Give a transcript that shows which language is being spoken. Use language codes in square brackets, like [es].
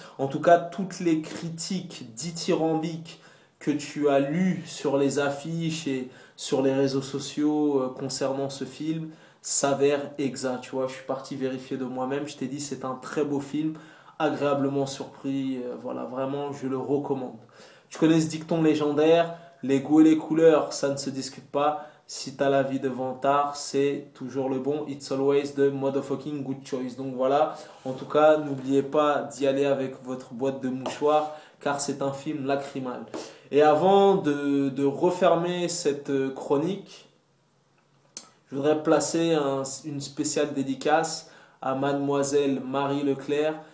[fr] En tout cas, toutes les critiques dithyrambiques que tu as lues sur les affiches et sur les réseaux sociaux, concernant ce film s'avèrent exactes. Tu vois, je suis parti vérifier de moi-même. Je t'ai dit, c'est un très beau film. Agréablement surpris, voilà, vraiment, je le recommande. Tu connais ce dicton légendaire, les goûts et les couleurs, ça ne se discute pas. Si t'as l'avis de Vantard, c'est toujours le bon. [en] It's always the motherfucking good choice. [fr] Donc voilà, en tout cas, n'oubliez pas d'y aller avec votre boîte de mouchoirs, car c'est un film lacrymal. Et avant de refermer cette chronique, je voudrais placer une spéciale dédicace à Mademoiselle Marie Leclerc.